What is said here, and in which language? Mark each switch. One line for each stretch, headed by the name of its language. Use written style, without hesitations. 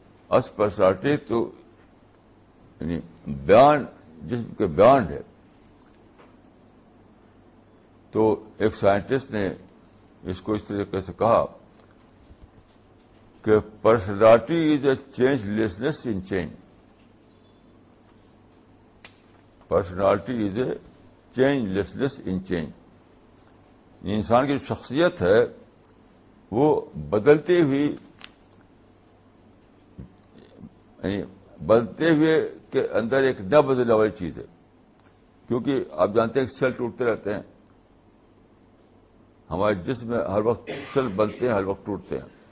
Urdu: اصل پرسنالٹی تو یعنی بیان, جسم کے بیان ہے. تو ایک سائنٹسٹ نے اس کو اس طریقے سے کہا کہ
English: Personality is a change lessons in change. Personality is a change lessons in change.
Urdu: انسان کی جو شخصیت ہے وہ بدلتی ہوئی, یعنی بدلتے ہوئے کے اندر ایک نہ بدلنے والی چیز ہے. کیونکہ آپ جانتے ہیں کہ سیل ٹوٹتے رہتے ہیں, ہمارے جسم میں ہر وقت سیل بنتے ہیں, ہر وقت ٹوٹتے ہیں.